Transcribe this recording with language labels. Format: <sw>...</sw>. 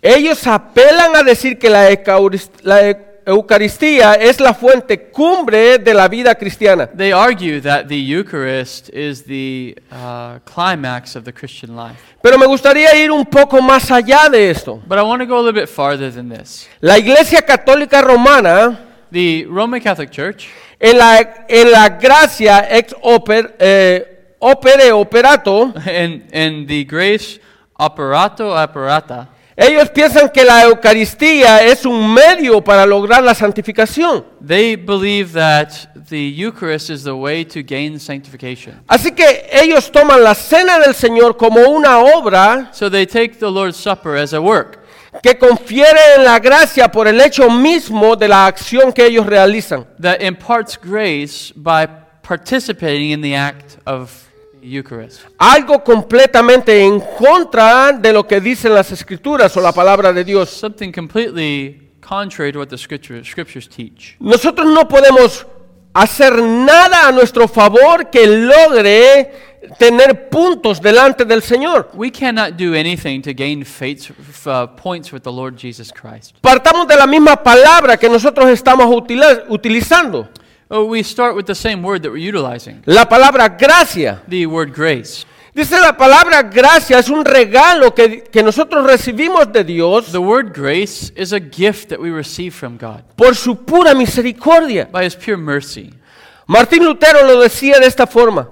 <es>Ellos apelan a decir que la Eucaristía es la fuente cumbre de la vida cristiana.</es> <en>They argue that the Eucharist is the climax of the Christian life.</en> <es>Pero me gustaría ir un poco más allá de esto.</es> <en>But I want to go a little bit farther than this.</en> <es>La Iglesia Católica Romana,</es> <en>the Roman Catholic Church,</en> <es>en la gracia ex opere operato,</es> <en>in the grace operato operata.</en> <es>Ellos piensan que la Eucaristía es un medio para lograr la santificación.</es> <en>They believe that the Eucharist is the way to gain sanctification.</en> <es>Así que ellos toman la Cena del Señor como una obra.</es> <en>So they take the Lord's Supper as a work.</en> <es>Que confiere la gracia por el hecho mismo de la acción que ellos realizan.</es> <en>That imparts grace by participating in the act of Eucharist.</en> <es>Algo completamente en contra de lo que dicen las escrituras o la palabra de Dios.</es> <en>Something completely contrary to what the scriptures teach.</en> <es>Nosotros no podemos hacer nada a nuestro favor que logre tener puntos delante del Señor.</es> <en>We cannot do anything to gain points with the Lord Jesus Christ.</en> <es>Partamos de la misma palabra que nosotros estamos utilizando.</es> <en>Oh, we start with the same word that we're utilizing.</en> <es>La palabra gracia.</es> <en>The word grace.</en> <es>Dice la palabra gracia es un regalo que nosotros recibimos de Dios.</es> <en>The word grace is a gift that we receive from God.</en> <es>Por su pura misericordia.</es> <en>By his pure mercy.</en> <es>Martín Lutero lo decía de esta forma.</es>